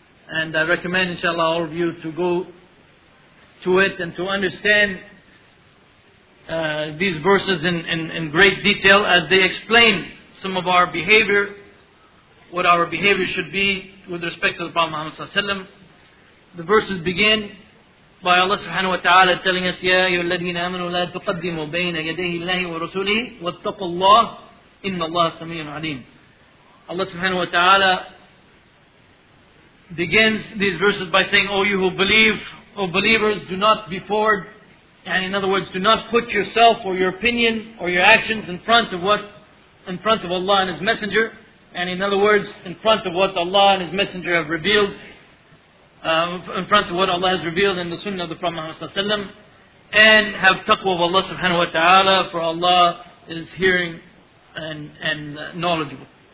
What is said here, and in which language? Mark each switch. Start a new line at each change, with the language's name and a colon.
English: And I recommend, inshallah, all of you to go to it and to understand these verses in great detail as they explain some of our behavior, what our behavior should be with respect to the Prophet Muhammad sallallahu alayhi wa sallam. The verses begin by Allah subhanahu wa ta'ala telling us,
Arabic: يَا أَيُّهَا الَّذِينَ آمَنُوا لَا تُقَدِّمُوا بَيْنَ يَدَيْهِ اللَّهِ وَرَسُولِهِ وَاتَّقُوا اللَّهِ إِنَّ اللَّهَ سَمِيعٌ عَلِيمٌ.
English: Allah subhanahu wa ta'ala begins these verses by saying, O you who believe, O believers, do not be forward, and in other words, do not put yourself or your opinion or your actions in front of Allah and His Messenger, and in other words, in front of what Allah and His Messenger have revealed, in front of what Allah has revealed in the Sunnah of the Prophet Muhammad sallallahu alaihi wasallam, and have taqwa of Allah subhanahu wa ta'ala, for Allah is hearing and knowledgeable.